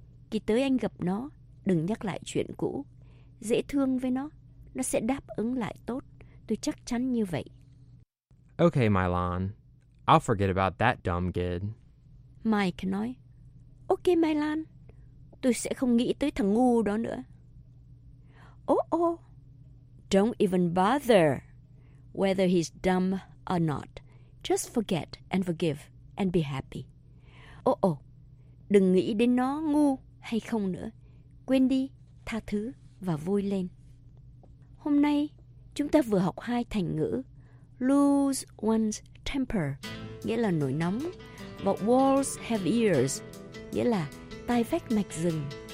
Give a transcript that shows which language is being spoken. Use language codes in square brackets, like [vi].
[vi] Khi tới anh gặp nó, đừng nhắc lại chuyện cũ. Dễ thương với nó, nó sẽ đáp ứng lại tốt. Tôi chắc chắn như vậy. [en] Okay, Mylon. I'll forget about that dumb kid. [vi] Mike nói. Okay, Mylon. Tôi sẽ không nghĩ tới thằng ngu đó nữa. [en] Don't even bother whether he's dumb or not. Just forget and forgive and be happy. [vi] Đừng nghĩ đến nó ngu hay không nữa. Quên đi, tha thứ và vui lên. Hôm nay, chúng ta vừa học hai thành ngữ. [en] Lose one's temper, [vi] nghĩa là nổi nóng, và [en] walls have ears, [vi] nghĩa là tai vách mạch rừng.